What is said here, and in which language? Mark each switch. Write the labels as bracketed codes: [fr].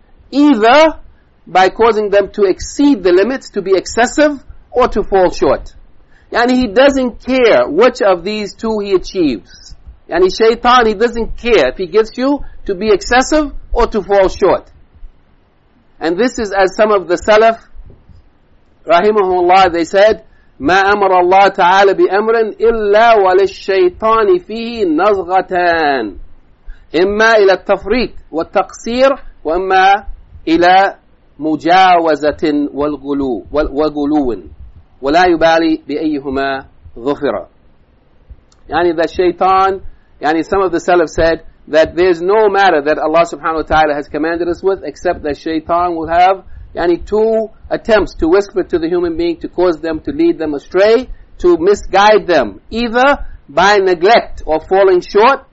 [en] Either by causing them to exceed the limits, to be excessive, or to fall short. Yani, he doesn't care which of these two he achieves. Yani, shaitan, he doesn't care if he gets you to be excessive or to fall short. And this is as some of the salaf, rahimahullah, they said, [ar] مَا أَمَرَ اللَّهُ تَعَالَى بِأَمْرٍ إِلَّا وَلِلشَّيْطَانِ فِيهِ نَزْغَتَانِ إِمَّا إِلَى التَّفْرِيقِ وَالتَّقْصِيرِ وَإِمَّا إِلَى مُجَاوَزَةٍ وَالْغُلُوٍ وَلَا يُبَالِي بِأَيِّهُمَا ظُفِرًا. [en] Yani, the shaitan, yani, some of the salaf said that there's no matter that Allah subhanahu wa ta'ala has commanded us with, except that shaitan will have, yani, two attempts to whisper to the human being to cause them, to lead them astray, to misguide them, either by neglect or falling short.